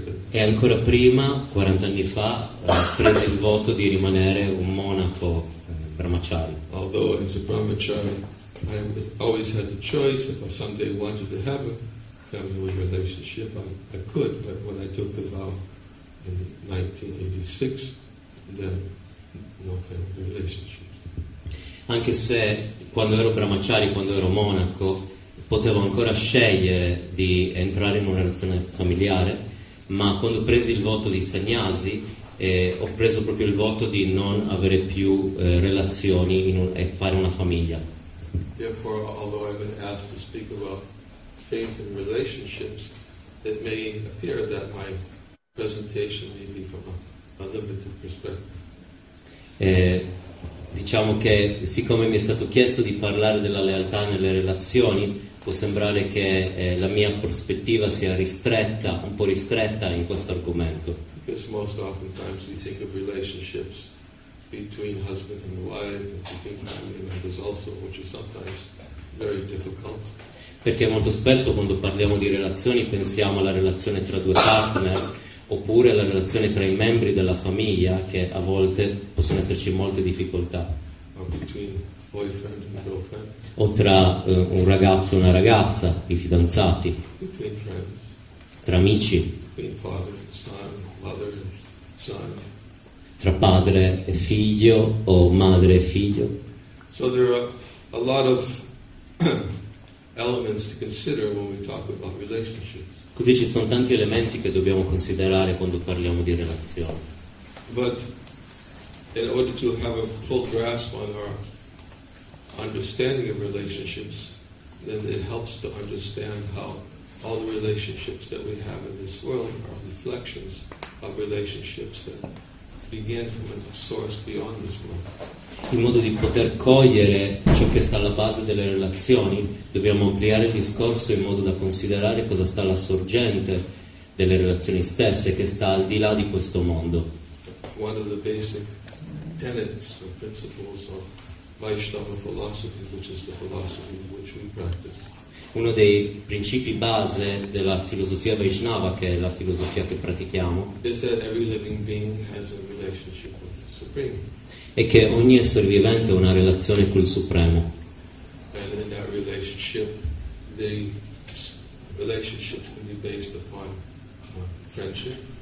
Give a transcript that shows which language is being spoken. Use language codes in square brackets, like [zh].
[it] E ancora prima, 40 anni fa, prese il voto di rimanere un monaco brahmachari. [en] Although as a brahmachari, I always had the choice if I someday wanted to have a family relationship, I could. But when I took the vow in 1986, then no family relationship. [it] Anche se quando ero brahmachari, quando ero monaco, potevo ancora scegliere di entrare in una relazione familiare, ma quando ho preso il voto di Sanyasi, ho preso proprio il voto di non avere più relazioni e fare una famiglia. [en] Therefore, although I've been asked to speak about faith and relationships, it may appear that my presentation may be from a limited perspective. [it] Diciamo che siccome mi è stato chiesto di parlare della lealtà nelle relazioni, può sembrare che la mia prospettiva sia ristretta, un po' ristretta in questo argomento. [en] Because most often times we think of relationships between husband and wife, between family members also, which is sometimes very difficult. [it] Perché molto spesso quando parliamo di relazioni pensiamo alla relazione tra due partner, oppure alla relazione tra i membri della famiglia, che a volte possono esserci molte difficoltà. [en] Or between boyfriend and girlfriend. [it] O tra un ragazzo e una ragazza, i fidanzati. [en] Between friends. [it] Tra amici. [en] Between father and son, mother and son. [it] Tra padre e figlio o madre e figlio. [en] So there are a lot of elements to consider when we talk about relationships. [it] Così ci sono tanti elementi che dobbiamo considerare quando parliamo di relazioni. [en] But in order to have a full grasp on our understanding of relationships, then it helps to understand how all the relationships that we have in this world are reflections of relationships that begin from a source beyond this world. [it] In modo di poter cogliere ciò che sta alla base delle relazioni, dobbiamo ampliare il discorso in modo da considerare cosa sta alla sorgente delle relazioni stesse, che sta al di là di questo mondo. [en] One of the basic tenets or principles of Vaishnava philosophy, which is the philosophy which we practice. [it] Uno dei principi base della filosofia Vaishnava, che è la filosofia che pratichiamo, [en] is that every living being has a relationship with the Supreme. [it] È che ogni essere vivente ha una relazione col Supremo. [en] And in that relationship, the relationship can be based upon friendship.